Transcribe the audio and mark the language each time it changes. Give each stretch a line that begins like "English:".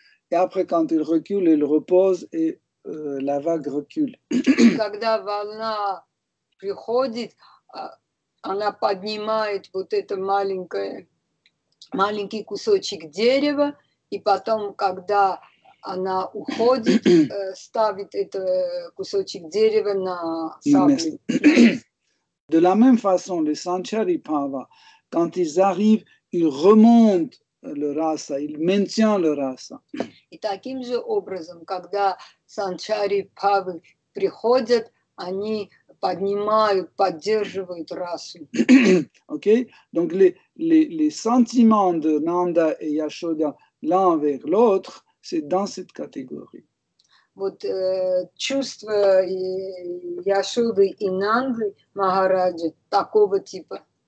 French: Et après, quand il recule, il repose, et la vague recule.
Russian: Когда волна приходит, она поднимает вот это маленький кусочек дерева, и потом, когда она уходит, ставит этот кусочек дерева на сабли.
French: De la même façon, les Sanchari Bhava, quand ils arrivent, ils remontent le rasa, ils maintiennent le rasa.
Russian: И таким же образом, когда Sanchari Bhava приходят, они поднимают, поддерживают расу.
French: Ok? Donc les sentiments de Nanda et Yashoda l'un envers l'autre, c'est dans cette catégorie.
Russian: Вот чувства Яшоды и Нанды Махараджи такого типа.